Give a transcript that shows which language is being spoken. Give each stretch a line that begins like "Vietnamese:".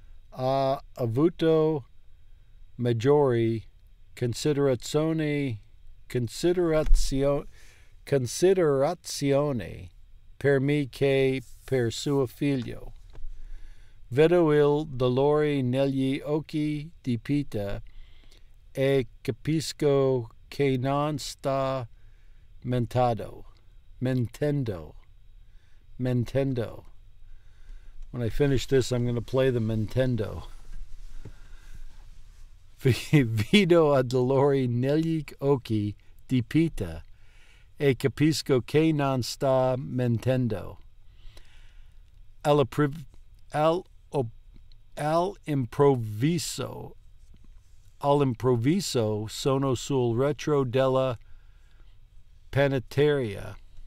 Italian: Ha avuto maggiori considerazioni per me che per suo figlio. Vedo il dolore negli occhi di Pita e capisco che non sta mentendo.
English: When I finish this, I'm going to play the Nintendo.
Italian: Vedo a dolore negli occhi di Pita e capisco che non sta mentendo. Al improvviso sono sul retro della panetteria.